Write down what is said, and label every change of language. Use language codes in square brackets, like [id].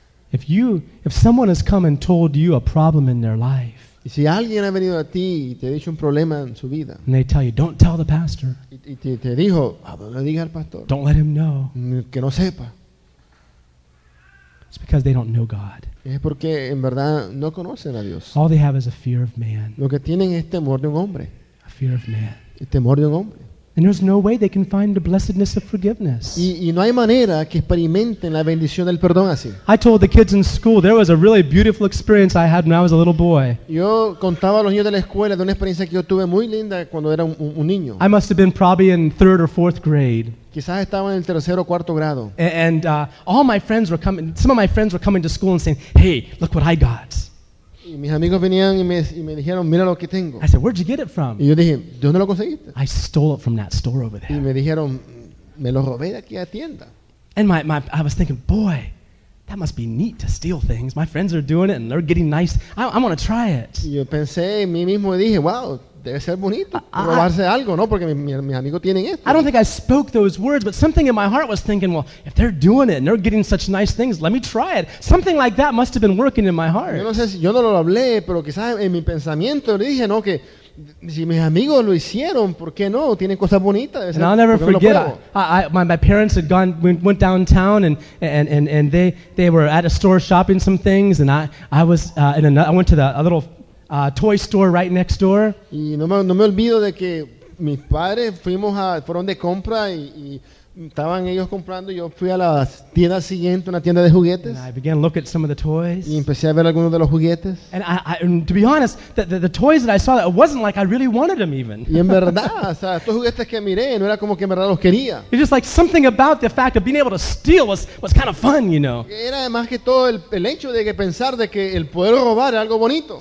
[en] If someone has come and told you a problem in their life. [es] Y si alguien ha venido a ti y te ha dicho un problema en su vida. [en] And they tell you, don't tell the pastor. [es] Y te dijo, no le digas al pastor. [en] Don't let him know. [es] Que no sepa. [en] It's because they don't know God. [es] Es porque en verdad no conocen a Dios. [en] All they have is a fear of man. [es] Lo que tienen es temor de un hombre. [en] A fear of man. [es] El temor de un hombre. [en] And there's no way they can find the blessedness of forgiveness. [es] Y no hay manera que experimenten la bendición del perdón así. [en] I told the kids in school there was a really beautiful experience I had when I was a little boy. [es] Yo contaba a los niños de la escuela de una experiencia que yo tuve muy linda cuando era un niño. [en] I must have been probably in third or fourth grade. [es] Quizás estaba en el tercero o cuarto grado. [en] Some of my friends were coming to school and saying, "Hey, look what I got." [es] Y mis amigos venían y me dijeron, mira lo que tengo. [en] I said, where'd you get it from? [es] Y yo dije, ¿de dónde lo conseguiste? [en] I stole it from that store over there. [es] Y me dijeron, me lo robé de aquí a tienda. [en] And my I was thinking, boy, that must be neat to steal things. My friends are doing it and they're getting nice. I want to try it. [es] Y yo pensé en mí mismo y dije, wow, debe ser bonito robarse algo, ¿no? Porque mis amigos tienen esto. [en] I don't think I spoke those words, but something in my heart was thinking, well, if they're doing it and they're getting such nice things, let me try it. Something like that must have been working in my heart. [es] Yo no sé si yo no lo hablé, pero quizás en mi pensamiento le dije, ¿no? Que si mis amigos lo hicieron, ¿por qué no? Tienen cosas bonitas. [en] And I'll never forget. My parents had gone went downtown and they were at a store shopping some things and I went to the a little toy store right next door. [es] Y no me olvido de que mis padres fueron de compra y estaban ellos comprando. Yo fui a la tienda siguiente, una tienda de juguetes. [en] And I began to look at some of the toys. [es] Y empecé a ver algunos de los juguetes. [en] And to be honest, the toys that I saw, it wasn't like I really wanted them even. [es] Y en verdad, o sea, estos juguetes que miré no era como que en verdad los quería. [en] It's just like something about the fact of being able to steal was kind of fun, you know. [es] Era más que todo el hecho de que pensar de que el poder robar era algo bonito.